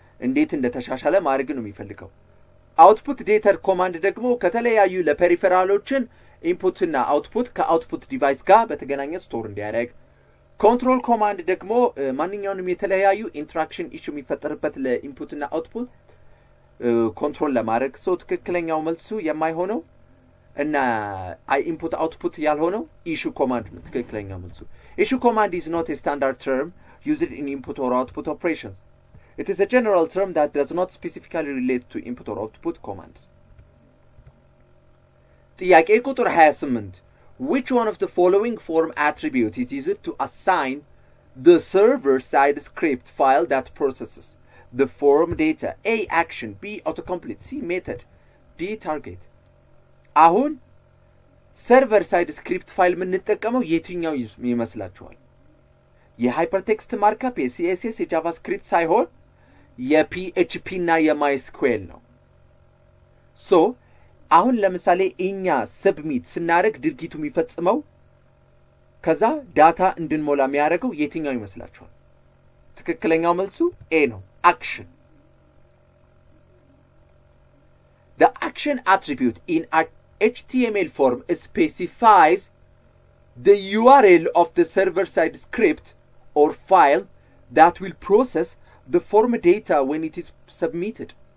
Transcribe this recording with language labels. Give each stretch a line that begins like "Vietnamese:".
Amharic: እንዴት እንደተሻሻለ ማድረግ ነው የሚፈልገው። አውትፑት ዴታ ኮማንድ ደግሞ ከተለያዩ ለፐሪፈራሎችን ኢንፑት እና አውትፑት ከአውትፑት ዲቫይስ ጋር በተገናኘ ስቶር እንዲያደርግ። ኮንትሮል ኮማንድ ደግሞ ማንኛውንም የተለያዩ ኢንተራክሽን ኢሹ የሚፈጠርበት ለኢንፑት እና አውትፑት ኮንትሮል ለማድረግ ሶ ትክክለኛው መልሱ የማይሆነው እና አይ ኢንፑት አውትፑት ያልሆነው
English: ኢሹ ኮማንድ ነው ትክክለኛው መልሱ። ኢሹ ኮማንድ ኢዝ ኖት ኤ ስታንዳርድ ተርም used in input or output operations. It is a general term that does not specifically relate to input or output commands.
Amharic: ጥያቄ ቁጥር 28.
English: Which one of the following form attribute is used to assign the server-side script file that processes the form data? A. action, B. autocomplete, C. method, D. target.
Amharic: አሁን server-side script file ምንጠቀመው የትኛው ይመስላችኋል? የሃይፐርቴክስት ማርካፕ የሲኤስኤስ የጃቫስክሪፕት ሳይሆን የፒኤችፒ እና የማይስኩዌል ነው። ሶ አሁን ለምሳሌ እኛ ሰብሚት ስናደርግ ድርጊቱ የሚፈጽመው ከዛ ዳታ እንድንሞላ የሚያደርገው የትኛው ይመስላችኋል? ትክክለኛው መልሱ ኤ ነው፣ አክሽን።
English: The action attribute in HTML form specifies the URL of the server-side script or file that will process the form data when it is submitted.